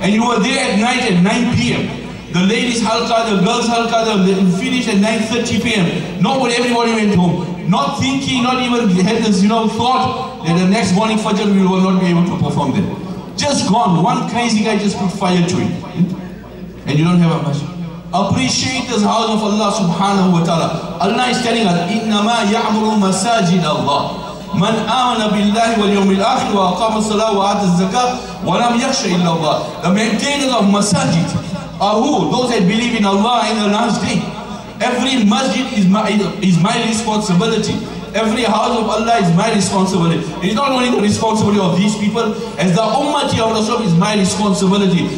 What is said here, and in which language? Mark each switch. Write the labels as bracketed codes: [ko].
[en] And you were there at night at 9 p.m. The ladies halqa, the girls halqa, they finished at 9:30 p.m. Not when everybody went home. Not thinking, not even had this, you know, thought that the next morning Fajr we will not be able to perform them. Just gone. One crazy guy just put fire to it. And you don't have a masjid. Appreciate this house of Allah subhanahu wa ta'ala. [ar] Allah is telling us, إِنَّمَا يَعْمُرُ مَسَاجِدَ اللَّهِ مَنْ آمَنَ بِاللَّهِ وَالْيَوْمِ الْآخِرِ وَأَقَامَ الصَّلَاةَ وَآتَ الزَّكَاةَ وَلَمْ يَخْشَ إِلَّا اللَّهِ. [en] The maintainers of masajid are who? Those that believe in Allah in the last day. Every masjid is my responsibility. Every house of Allah is my responsibility. It's not only the responsibility of these people, as the ummati of Rasulullah is my responsibility.